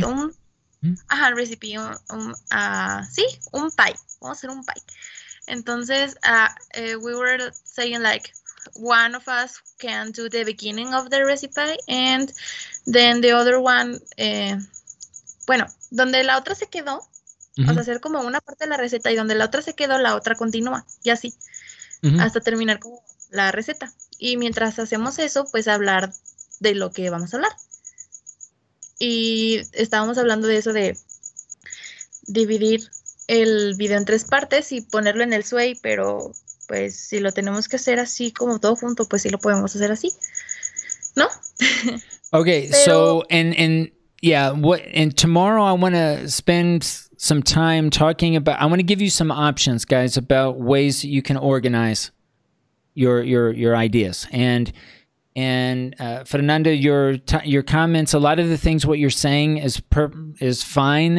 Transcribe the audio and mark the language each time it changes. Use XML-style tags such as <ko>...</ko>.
<en>Recipe. See,</en> <es>un pie. Vamos a hacer un pie.</es> <en>Entonces, we were saying like one of us can do the beginning of the recipe, and then the other one, bueno,</en> <es>donde la otra se quedó. Mm-hmm. O sea, hacer como una parte de la receta y donde la otra se quedó, la otra continúa y así. Mm-hmm. Hasta terminar como la receta. Y mientras hacemos eso, pues hablar de lo que vamos a hablar. Y estábamos hablando de eso de dividir el video en tres partes y ponerlo en el Sway, pero pues si lo tenemos que hacer así como todo junto, pues sí lo podemos hacer así. ¿No?</es> <en>Okay, pero, so and yeah, what and tomorrow I want to spend some time talking about, I want to give you some options, guys, about ways that you can organize your ideas. And Fernanda, your comments, a lot of the things what you're saying is fine.</en>